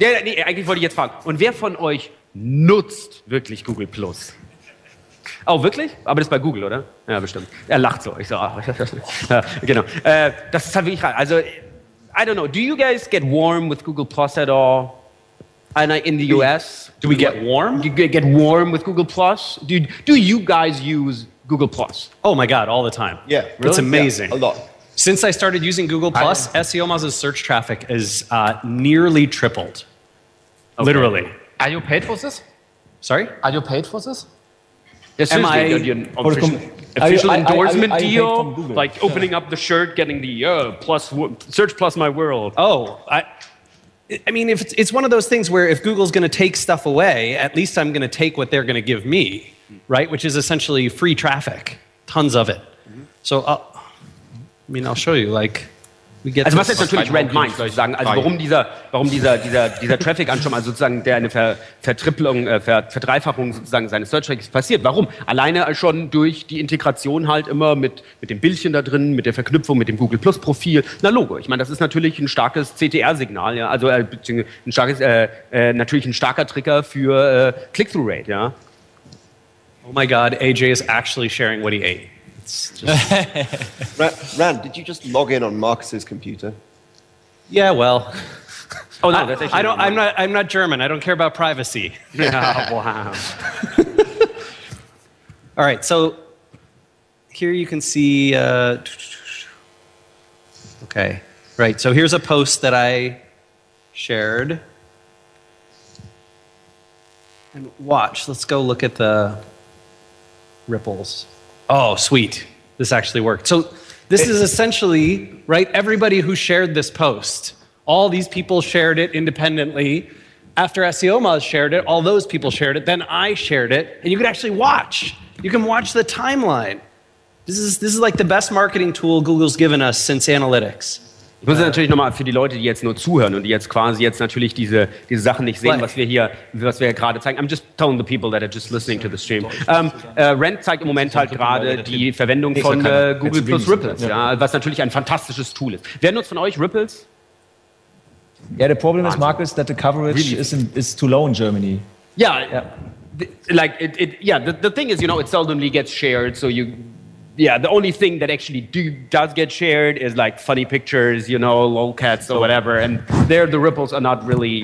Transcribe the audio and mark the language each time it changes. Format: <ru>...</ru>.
<de>Ja, nee, eigentlich wollte ich jetzt fragen, und wer von euch nutzt wirklich Google Plus? Oh, wirklich? Aber das ist bei Google, oder? Ja, bestimmt. Er lacht so. Ich so, genau. Das ist halt wirklich rein.</de> <en>Also, I don't know. Do you guys get warm with Google Plus at all? And in the US? Do we get warm? Do you get warm with Google Plus? Do you guys use Google Plus? Oh my God, all the time. Yeah, really? It's amazing. Yeah, a lot. Since I started using Google Plus, SEO Moz's search traffic is nearly tripled. Okay. Literally. Are you paid for this? Sorry? Are you paid for this? Yes, am I? Official endorsement deal, like opening up the shirt, getting the plus search plus my world. Oh, I mean, if it's one of those things where if Google's going to take stuff away, at least I'm going to take what they're going to give me, right? Which is essentially free traffic, tons of it. So, I mean, I'll show you. Like, we get.</en> <de>Also, was jetzt natürlich Red Mind, soll ich sagen? Also, warum dieser Traffic anschauen? Also sozusagen der eine Verdreifachung sozusagen seines Search Traffics passiert. Warum? Alleine schon durch die Integration halt immer mit dem Bildchen da drin, mit der Verknüpfung mit dem Google Plus Profil. Na Logo. Ich meine, das ist natürlich ein starkes CTR Signal. Ja, also ein starker Trigger für Click Through Rate. Ja.</de> <en>Oh my God, AJ is actually sharing what he ate. Just Rand, did you just log in on Marcus's computer? Yeah, well. Oh no, that's I don't. Mark. I'm not German. I don't care about privacy. Yeah. Oh, wow. All right. So here you can see. Okay. Right. So here's a post that I shared. And watch. Let's go look at the ripples. Oh, sweet. This actually worked. So this is essentially, right, everybody who shared this post, all these people shared it independently. After SEO Moz shared it, all those people shared it. Then I shared it. And you could actually watch. You can watch the timeline. This is like the best marketing tool Google's given us since analytics.</en> <de>Ich muss natürlich nochmal für die Leute, die jetzt nur zuhören und die jetzt quasi jetzt natürlich diese Sachen nicht sehen, was wir hier gerade zeigen.</de> <en>I'm just telling the people that are just listening to the stream.</en> <de>Rand zeigt im Moment halt gerade die Verwendung von Google Plus Ripples, ja, was natürlich ein fantastisches Tool ist. Wer nutzt von euch Ripples?</de> <en>Ja, yeah, the problem is, Markus, that the coverage really? is too low in Germany. Ja, yeah. Like the thing is, you know, it seldomly gets shared, so you... Yeah, the only thing that actually does get shared is like funny pictures, you know, lolcats or whatever. And there the ripples are not really...</en>